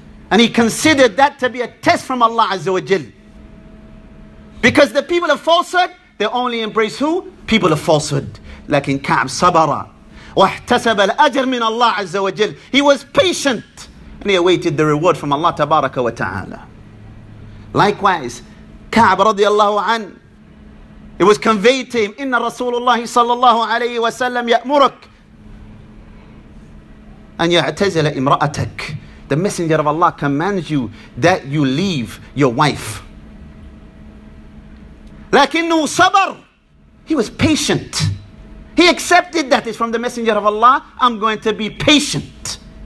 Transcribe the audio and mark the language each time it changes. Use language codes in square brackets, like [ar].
[en] And he considered that to be a test from Allah Azza wa Jal. Because the people of falsehood, they only embrace who? People of falsehood. [ar] Lakin Ka'b sabara. وَاحْتَسَبَ الْأَجْرِ مِنَ اللَّهِ عَزَّ وَجَلْ. [en] He was patient and he awaited the reward from Allah tabaraka wa ta'ala. Likewise, Ka'b radiallahu an, it was conveyed to him, [ar] إِنَّ رَسُولُ اللَّهِ صَلَّى اللَّهُ عَلَيْهِ وَسَلَّمْ يَأْمُرُكْ أَنْ يَعْتَزِلَ إِمْرَأَتَكْ. [en] The Messenger of Allah commands you that you leave your wife. [ar] لَكِنُّ sabr. [en] He was patient. He accepted that is from the Messenger of Allah. I'm going to be patient.